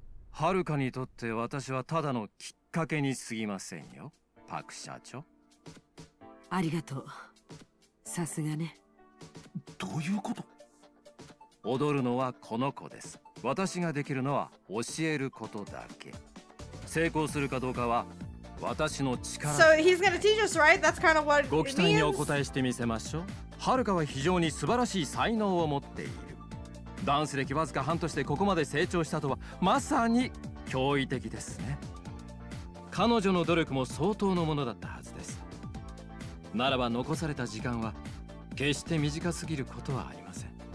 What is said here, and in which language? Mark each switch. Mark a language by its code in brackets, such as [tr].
[ja] はるかにとって私はただのきっかけにすぎませんよ、パク社長。ありがとう、さすがね。どういうこと。踊るのはこの子です。私ができるのは教えることだけ。成功するかどうかは私の力。 [en] So he's gonna teach us, right? That's kind of what it means. [ja] ご期待にお答えしてみせましょう。はるかは非常に素晴らしい才能を持っている。ダンス歴わずか半年でここまで成長したとはまさに驚異的ですね。彼女の努力も相当のものだったはずです。ならば残された時間は決して短すぎることはありません。